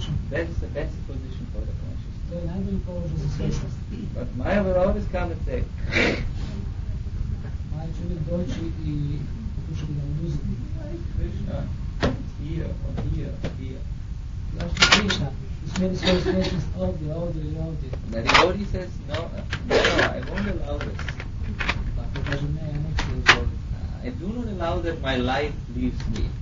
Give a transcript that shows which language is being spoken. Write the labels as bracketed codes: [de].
[en] That is the best position for the consciousness. [hr] To je najbolji položaj za svjesnost. [en] But Maya will always come and say, [hr] Maya će uvijek doći i pokušati nam uzeti. [en] Krishna, here, or here, or here. [hr] Zašto Krishna? Usmjeri svoju svjesnost ovdje, ovdje i ovdje. [en] The devotee says, no, no, I won't allow this. [hr] Dakle, kaže, ne, ja neću dozvoliti. [en] I do not allow that my life leaves me.